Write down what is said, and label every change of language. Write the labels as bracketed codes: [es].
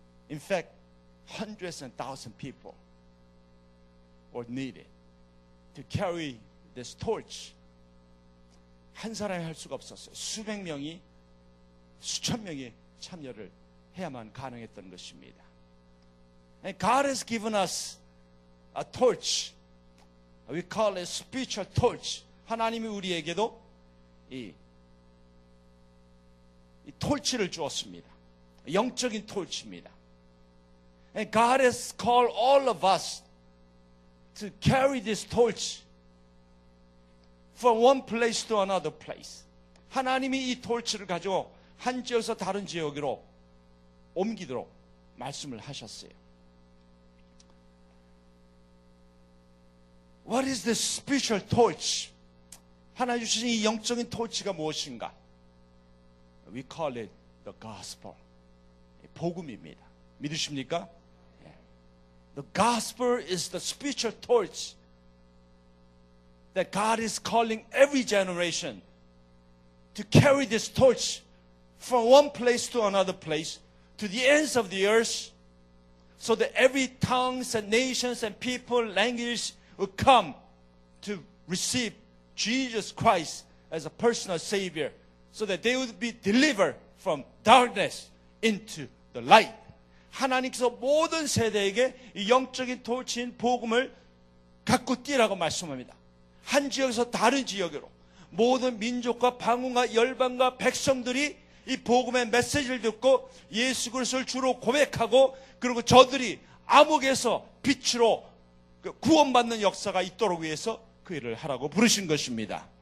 [en] In fact, hundreds and thousands of people were needed to carry this torch. [ko] 한 사람이 할 수가 없었어요. 수백 명이, 수천 명이 참여를 해야만 가능했던 것입니다. [en] And God has given us a torch. We call it a spiritual torch. [ko] 하나님이 우리에게도 이 torch를 주었습니다. 영적인 torch입니다. [en] And God has called all of us to carry this torch from one place to another place. [ko] 하나님이 이 torch를 가지고 한 지역에서 다른 지역으로 옮기도록 말씀을 하셨어요. [en] What is the spiritual torch? [ko] 하나님 주신 이 영적인 토치가 무엇인가? [en] We call it the gospel. [ko] 복음입니다. 믿으십니까? [en] The gospel is the spiritual torch that God is calling every generation to carry this torch from one place to another place, to the ends of the earth, so that every tongues and nations and people, language, will come to receive Jesus Christ as a personal Savior so that they would be delivered from darkness into the light. [ko] 하나님께서 모든 세대에게 이 영적인 토치인 복음을 갖고 뛰라고 말씀합니다. 한 지역에서 다른 지역으로 모든 민족과 방언과 열방과 백성들이 이 복음의 메시지를 듣고 예수 그리스도를 주로 고백하고 그리고 저들이 암흑에서 빛으로 구원받는 역사가 있도록 위해서 그 일을 하라고 부르신 것입니다.